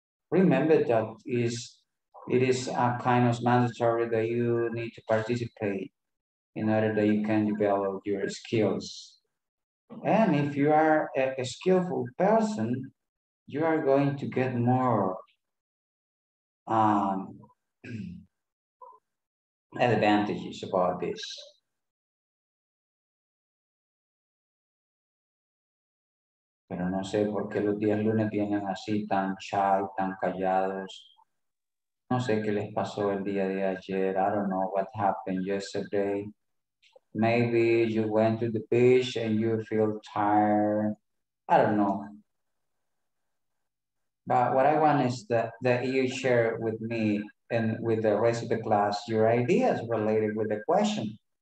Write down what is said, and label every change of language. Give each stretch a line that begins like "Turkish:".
English: Remember that it is a kind of mandatory that you need to participate in order that you can develop your skills. And if you are a skillful person, you are going to get more advantages about this.
Spanish: Pero no sé por qué los días lunes vienen así tan shy, tan callados. No sé qué les pasó el día de ayer.
English: I don't know what happened yesterday. Maybe you went to the beach and you feel tired. I don't know. But what I want is that you share with me and with the rest of the class your ideas related with the question.